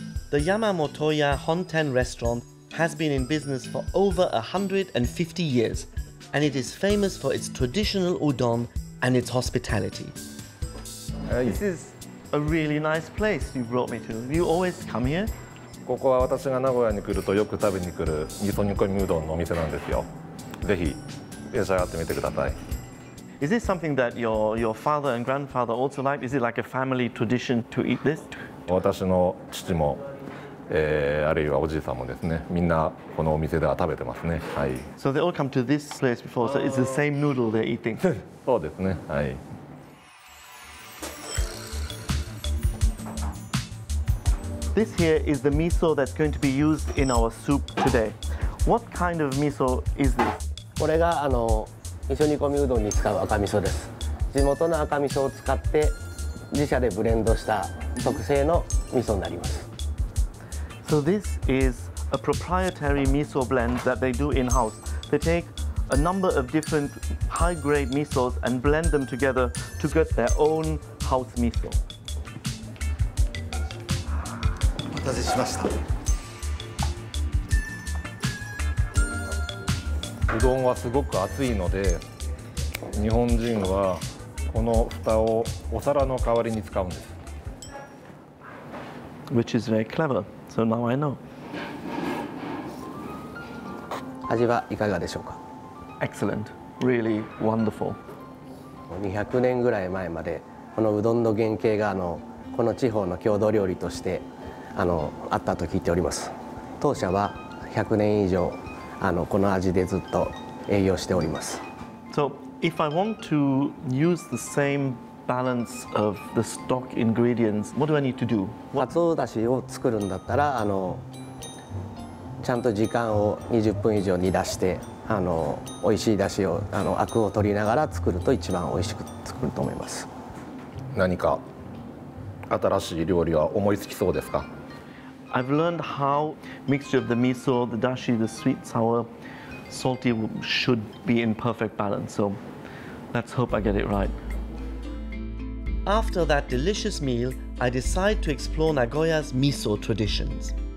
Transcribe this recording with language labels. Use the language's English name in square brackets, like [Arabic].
[English] The Yamamotoya Honten restaurant has been in business for over 150 years, and it is famous for its traditional udon and its hospitality. This is a really nice place you brought me to. You always come here? [Japanese] ここは私が名古屋に来るとよく食べに来る味噌煮込みうどんのお店なんですよ。ぜひ召し上がってみてください。 [English] Is this something that your father and grandfather also liked? Is it like a family tradition to eat this? [Japanese] 私の父も、あるいはおじいさんもですね、みんなこのお店では食べてますね。はい。 [English] So they all come to this place before, so it's the same noodle they're eating. [Japanese] そうですね。はい。 [English] This here is the miso that's going to be used in our soup today. What kind of miso is this? [Japanese] これがあの味噌煮込みうどんに使う赤味噌です。地元の赤味噌を使って自社でブレンドした特製の味噌になります。 [English] So this is a proprietary miso blend that they do in-house. They take a number of different high-grade misos and blend them together to get their own house miso. [Japanese] お待たせしました。うどんはすごく熱いので、日本人はこの蓋をお皿の代わりに使うんです。 [English] Which is very clever. So now I know. [Japanese] 味はいかがでしょうか。 [English] Excellent. Really wonderful. [Japanese] 200年ぐらい前までこのうどんの原型があのこの地方の郷土料理として。あの、あったと聞いております。当社は100年以上、あの、この味でずっと営業しております。 [English] So, if I want to use the same balance of the stock ingredients, what do I need to do? [Japanese] かつおだしを作るんだったら、あの、ちゃんと時間を20分以上煮出して、あの、美味しいだしを、あの、アクを取りながら作ると一番美味しく作ると思います。何か新しい料理は思いつきそうですか? [English] I've learned how mixture of the miso, the dashi, the sweet, sour, salty should be in perfect balance. So let's hope I get it right. After that delicious meal, I decide to explore Nagoya's miso traditions.